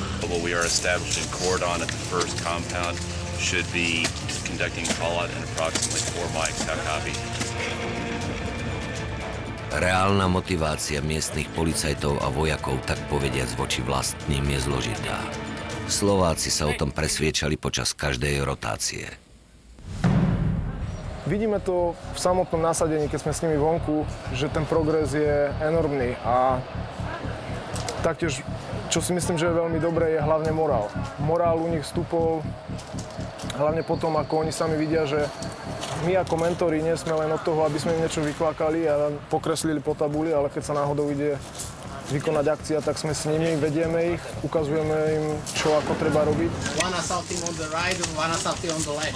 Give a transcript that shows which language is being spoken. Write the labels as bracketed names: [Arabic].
[English] What we are establishing cordon at the first compound should be conducting call-out in approximately 4 mics. How copy? [Slovak] Reálna motivácia miestnych policajtov a vojakov, tak povediac, voči vlastným je zložitá. Slováci sa o tom presviedčali počas každej rotácie. Vidíme to v samotnom nasadení, keď sme s nimi vonku, že ten progres je enormný. A taktiež, čo si myslím, že je veľmi dobré, je hlavne morál. Morál u nich stúpol hlavne potom, ako oni sami vidia, že my ako mentori nie sme len od toho, aby sme im niečo vykvákali a pokreslili po tabuli, ale keď sa náhodou ide vykonať akcia, tak sme s nimi, vedieme ich, ukazujeme im, čo ako treba robiť. [English] One assault team on the right and one assault team on the left.